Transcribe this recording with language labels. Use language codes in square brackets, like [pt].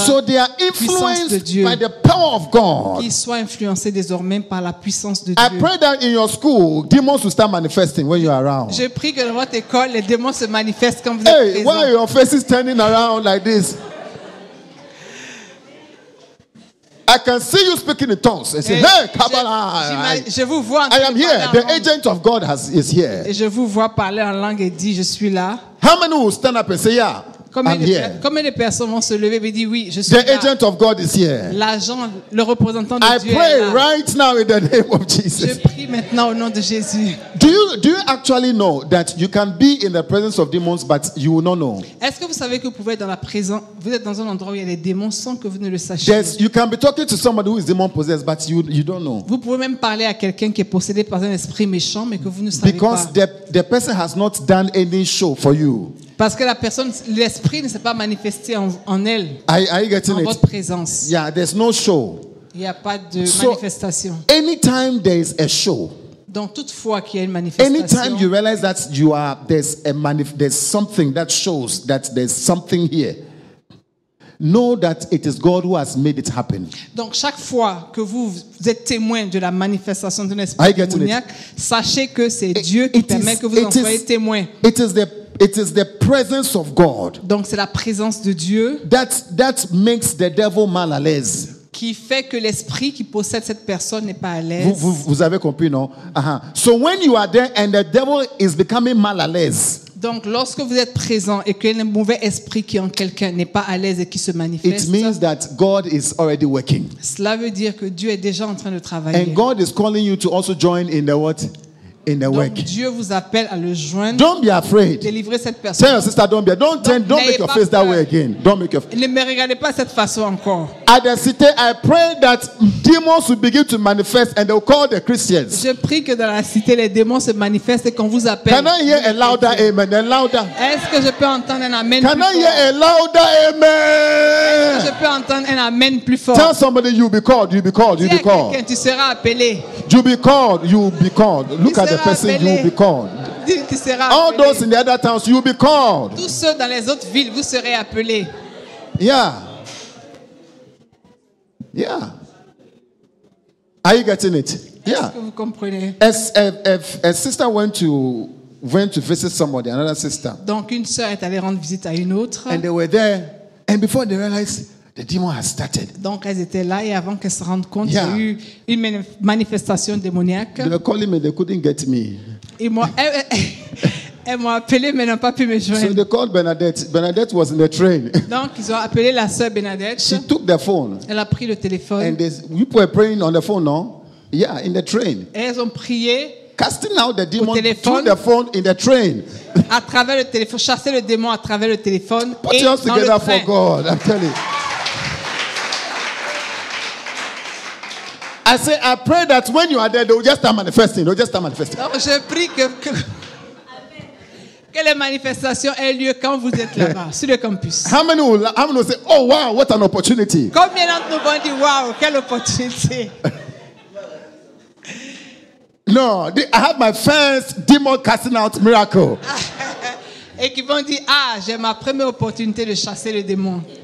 [fr] puissance de Dieu. [en] So they are influenced by the power of God. [fr] Qu'ils soient influencés désormais par la puissance de [en] Dieu. I pray that in your school, demons will start manifesting when you are around. [fr] Je prie que dans votre école, les démons se manifestent quand vous [en] hey, [fr] êtes présents. [en] Why are your faces turning around like this? I can see you speaking in tongues. I say, hey, Kabbalah. [fr] Je vous vois [en] I am here. The agent of God is here. [fr] Et je vous vois parler en langue et dit, je suis là. [en] How many will stand up and say, yeah, [fr] combien [en] I'm here. [fr] Combien de personnes vont se lever et dire, oui, je suis [en] the [fr] là. [en] The agent of God is here. [fr] L'agent, le représentant de [en] I [fr] Dieu [en] I pray [fr] est là. [en] Right now in the name of Jesus. [fr] Je prie maintenant au nom de Jésus. [en] Do you actually know that you can be in the presence of demons, but you will not know? [fr] Est-ce que vous savez que vous pouvez être dans la présence, vous êtes dans un endroit où il y a des démons sans que vous ne le sachiez? [en] Yes, you can be talking to somebody who is demon possessed, but you don't know. [fr] Vous pouvez même parler à quelqu'un qui est possédé par un esprit méchant, mais que vous ne savez [en] Because [fr] pas. [en] Because the person has not done any show for you. [fr] Parce que la personne, l'esprit ne s'est pas manifesté en elle. [en] Are you getting [fr] en [en] it? [fr] Votre présence. [en] Yeah, there's no show. [fr] Il n'y a pas de [en] so, [fr] manifestation. [en] Anytime there is a show. [fr] Donc toute fois qu'il y a une manifestation. [en] Anytime you realize that you are there's something that shows that there's something here. Know that it is God who has made it happen. [fr] Donc chaque fois que vous êtes témoin de la manifestation d'un esprit démoniaque, sachez que c'est Dieu qui permet que vous en soyez témoin. [en] It is the presence of God. [fr] Donc c'est la présence de Dieu. [en] That makes the devil [fr] mal à l'aise. Qui fait que l'esprit qui possède cette personne n'est pas à l'aise. Vous avez compris, non? Uh-huh. [en] So when you are there and the devil is becoming [fr] mal à l'aise. Donc lorsque vous êtes présent et que le mauvais esprit qui est en quelqu'un n'est pas à l'aise et qui se manifeste. [en] It means that God is already working. [fr] Cela veut dire que Dieu est déjà en train de travailler. [en] And God is calling you to also join in the what? In the [fr] Donc, [en] work. [fr] Dieu vous appelle à le joindre. [en] Don't be afraid. [fr] Délivrer cette personne. [en] Tell your sister, don't be. Don't [fr] Donc, [en] turn. Don't make your face [fr] peur. [en] That way again. Don't make your. [fr] Ne me regardez pas cette façon encore. [en] At the city, I pray that demons will begin to manifest and they'll call the Christians. [fr] Je prie que dans la cité les démons se manifestent et qu'on vous appelle. [en] Can I hear a louder amen? A louder. [fr] Est-ce que je peux entendre un amen? [en] Can I hear a louder amen? [fr] Est-ce que je peux entendre un amen plus fort? [en] Tell somebody you'll be called. You'll be called. You'll be called. [fr] Dis à quelqu'un, tu seras appelé. [en] You'll be called. You'll be called. Look at. The person you will be called. [fr] Qui sera [en] All those in the other towns, you will be called. [fr] Tous ceux dans les autres villes, vous serez appelés. [en] Yeah. Yeah. Are you getting it? [fr] Est-ce [en] yeah. [fr] Que vous comprenez? [en] A sister went to visit somebody, another sister. [fr] Donc une sœur est allée rendre visite à une autre. [en] And they were there, and before they realized. The demon has started. [fr] Donc elles étaient là et avant qu'elles se rendent compte, yeah. Il y a eu une manifestation démoniaque. [en] They were calling me, they couldn't get me. [fr] Et moi, elles m'ont appelé mais n'ont pas pu me joindre. [en] So they called Bernadette. Bernadette was in the train. [fr] Donc ils ont appelé la sœur Bernadette. [en] She took the phone. [fr] Elle a pris le téléphone. [en] And you were praying on the phone, non? Yeah, in the train. [fr] Et elles ont prié. [en] Casting out the demon through the phone in the train. [fr] À travers le téléphone, chasser le démon à travers le téléphone. [en] Put your hands together for God. I'm telling you. I say, I pray that when you are there, they will just start manifesting. They will just start manifesting. [fr] Donc, je prie que les manifestations aient lieu quand vous êtes là-bas, sur le campus. [en] How many will say, oh wow, what an opportunity? [fr] Combien d'entre nous vont dire, wow, quelle opportunité? [en] No, I have my first demon casting out miracle. [fr] Et qui vont dire, ah, j'ai ma première opportunité de chasser les démons.